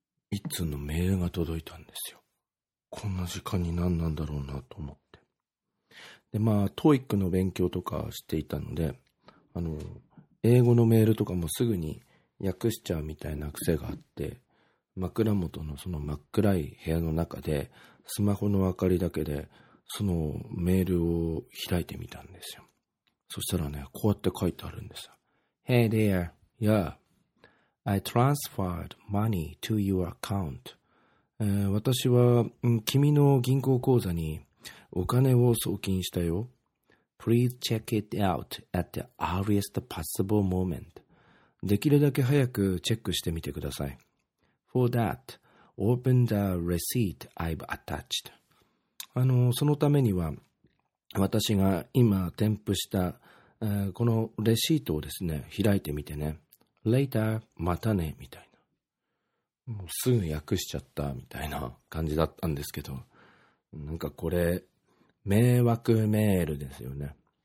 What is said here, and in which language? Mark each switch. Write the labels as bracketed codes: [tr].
[ja] 一通のメールが届いたんですよ。こんな時間に何なんだろうなと思って、でまあ TOEIC の勉強とかしていたので、あの英語のメールとかもすぐに訳しちゃうみたいな癖があって、枕元のその真っ暗い部屋の中でスマホの明かりだけでそのメールを開いてみたんですよ。そしたらね、こうやって書いてあるんですよ。 [en] Hey there, yeah, I transferred money to your account. [ja] 私は君の銀行口座にお金を送金したよ。 [en] Please check it out at the earliest possible moment. [ja] できるだけ早くチェックしてみてください。 [en] For that, open the receipt I've attached. [ja] そのためには、私が今添付した、このレシートをですね、開いてみてね。 Later, またね、みたいな。もうすぐ訳しちゃった、みたいな感じだったんですけど、なんかこれ、迷惑メールですよね。